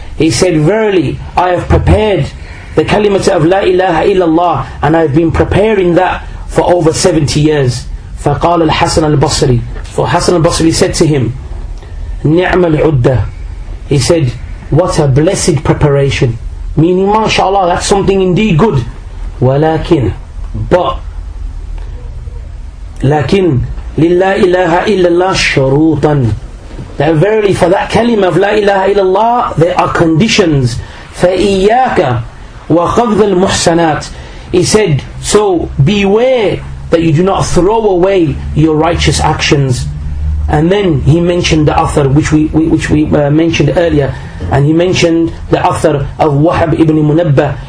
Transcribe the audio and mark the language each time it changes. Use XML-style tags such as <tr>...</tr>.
<en>He said, verily, I have prepared the kalimat of la ilaha illallah, and I've been preparing that for over 70 years.</en> <ar>فَقَالَ الْحَسَنَ الْبَصْرِ.</ar> <en>So Hassan al-Basri said to him, نِعْمَ الْعُدَّةِ. He said, what a blessed preparation. Meaning, mashallah, that's something indeed good.</en> <ar>وَلَكِنْ. But, لَكِنْ لِلَّا إِلَهَ إِلَّا اللَّهِ شُرُوطًا.</ar> <en>Now verily, for that kalima of la ilaha illallah, there are conditions.</en> <ar>فَإِيَّاكَ وَخَذْذَ الْمُحْسَنَاتِ.</ar> <en>He said, so beware that you do not throw away your righteous actions. And then he mentioned the author which we mentioned earlier, and he mentioned the author of Wahab ibn Munabba.</en>